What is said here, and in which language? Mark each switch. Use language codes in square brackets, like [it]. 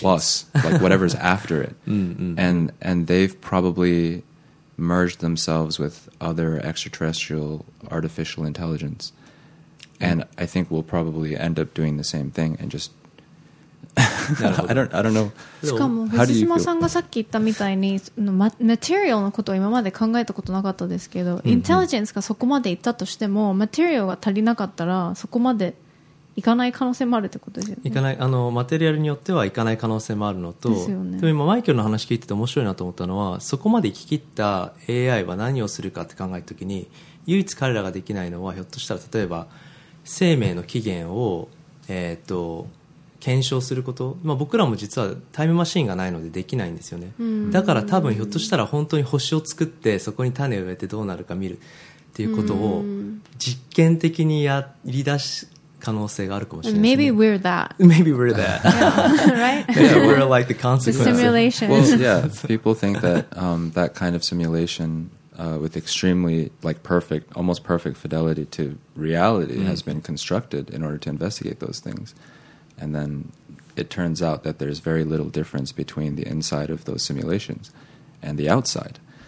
[en] Plus, like whatever's after it. And they've probably merged themselves with other extraterrestrial artificial intelligence. And I think we'll probably end up doing the same thing and just I don't know. [ja] しかも藤島さんがさっき言ったみたいに、マテリアルのことは今まで考えたことなかったですけど、インテリジェンスがそこまでいったとしても、マテリアルが足りなかったらそこまでいかない可能性もあるってことですよね。いかない、あのマテリアルによってはいかない可能性もあるのと、ですよね。でも今マイケルの話聞いてて面白いなと思ったのは、そこまで聞き切った AI は何をするかって考えるときに、唯一彼らができないのは、ひょっとしたら例えば生命の起源を検証すること、まあ、僕らも実はタイムマシンがないのでできないんですよね。だから多分ひょっとしたら本当に星を作って、そこに種を植えてどうなるか見るっていうことを実験的にやり出す可能性があるかもしれない、ね、 [en] Maybe we're that. Maybe we're that. Yeah, right? Yeah, we're like the consequence. The simulation. Well, yeah, people think that that kind of simulation with extremely like perfect, almost perfect fidelity to reality has been constructed in order to investigate those things. And then it turns out that there's very little difference between the inside of those simulations and the outside.